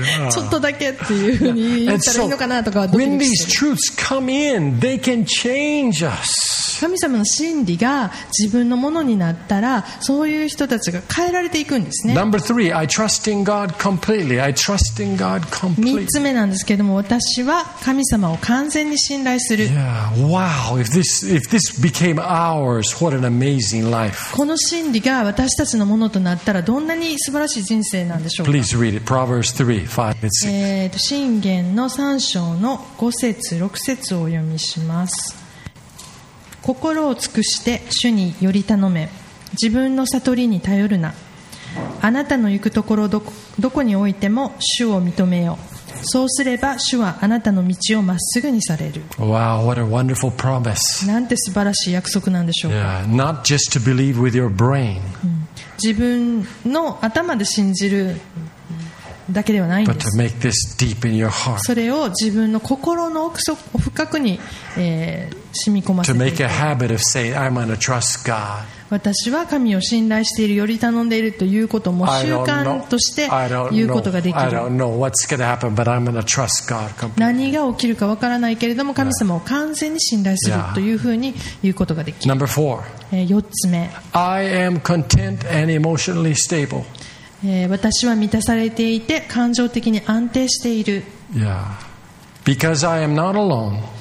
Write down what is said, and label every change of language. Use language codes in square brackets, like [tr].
[ja] ちょっとだけっていう風に言ったらいいのかなとか。 [en] When these truths come in, they can change us. [ja] 神様の真理が自分のものになったらそういう人たちが変えられていくんですね。 [en] Number three, I trust in God completely. I trust in God completely. [ja] 3つ目なんですけども私は神様を完全に信頼する。 [en] Yeah, wow, if this became ours, what an amazing life. [ja] この真理が私たちのものとなったらどんなに素晴らしい人生なんでしょうか。 [en] Please read it. Proverbs 3:5-6. [ja] 箴言の3章の5節6節をお読みします。心を尽くして主により頼め、自分の悟りに頼るな。あなたの行くところどこにおいても主を認めよ。そうすれば主はあなたの道をまっすぐにされる。 [en] Wow, what a wonderful promise. [ja] なんて素晴らしい約束なんでしょうか。 [en] Yeah, not just to believe with your brain. [ja] 自分の頭で信じるだけではないんです。 [en] But to make this deep in your heart. [ja] それを自分の心の奥底深くに、染み込ませていく。 [en] To make a habit of saying, I'm going to trust God. [ja] 私は神を信頼しているより頼んでいるということも習慣として言うことができる。 [en] I don't know what's going to happen, but I'm going to trust God completely. [ja] 何が起きるかわからないけれども神様を完全に信頼するというふうに言うことができる。 [en] Number four. [ja] 4つ目。 [en] I am content and emotionally stable. [ja] 私は満たされていて感情的に安定している。 [en] Yeah. Because I am not alone.